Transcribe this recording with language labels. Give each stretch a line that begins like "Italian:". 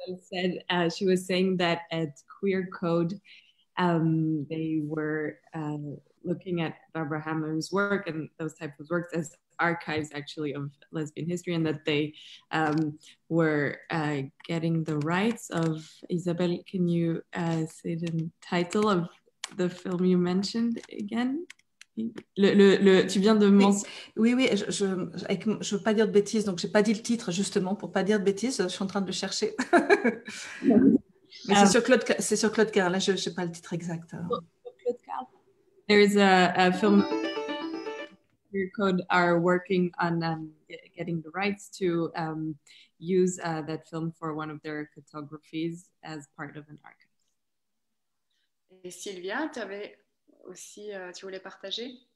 English: Said she was saying that at Queercode they were looking at Barbara Hammer's work and those types of works as archives actually of lesbian history, and that they were getting the rights of Isabelle. Can you say the title of the film you mentioned again?
French: Le, tu viens de mentionner. Oui, je ne veux pas dire de bêtises, donc je n'ai pas dit le titre justement pour ne pas dire de bêtises, je suis en train de le chercher. Mais c'est sur Claude Carr, là je n'ai pas le titre exact. Claude Carr.
English: There is a film, Queercode are working on getting the rights to use that film for one of their photographies as part of an archive.
French: Et Sylvia, tu avais aussi, tu voulais partager?